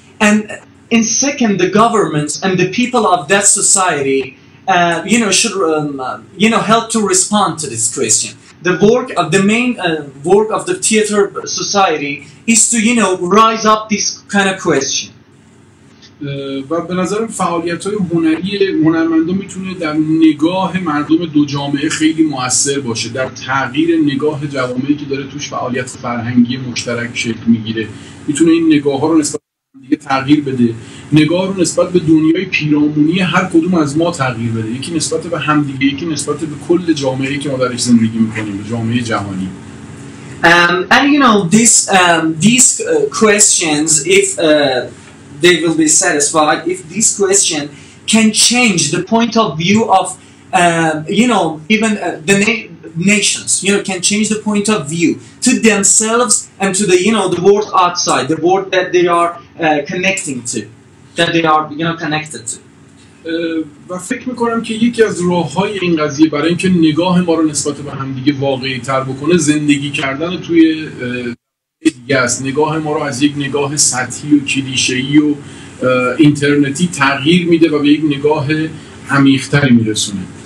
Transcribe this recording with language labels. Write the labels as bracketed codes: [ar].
[en] And in second, the governments and the people of that society, you know, should, you know, help to respond to this question. The work of the main work of the theater society is to, you know, rise up this kind of question. [fa] و به نظر فعالیت‌های هنری هنرمندان میتونه در نگاه مردم دو جامعه خیلی مؤثر باشه، در تغییر نگاه جامعه که داره توش فعالیت فرهنگی مشترک شکل میگیره. میتونه این نگاه‌ها رو نسبت به دیگه تغییر بده، نگاه رو نسبت به دنیای پیرامونی هر کدوم از ما تغییر بده، یکی نسبت به همدیگه، یکی نسبت به کل جامعه که ما درش زندگی میکنیم، جامعه جهانی. [en] And you know this these questions, if they will be satisfied, if this question can change the point of view of you know, even the nations, you know, can change the point of view to themselves and to the, you know, the world outside, the world that they are connecting to, that they are, you know, connected to. [fa] و فکر میکنم که یکی از راه‌های این قضیه برای اینکه نگاه ما رو نسبت به همدیگه واقعی‌تر بکنه زندگی کردن توی دیگه است. نگاه ما رو از یک نگاه سطحی و کلیشه‌ای و اینترنتی تغییر میده و به یک نگاه عمیق‌تر میرسونه.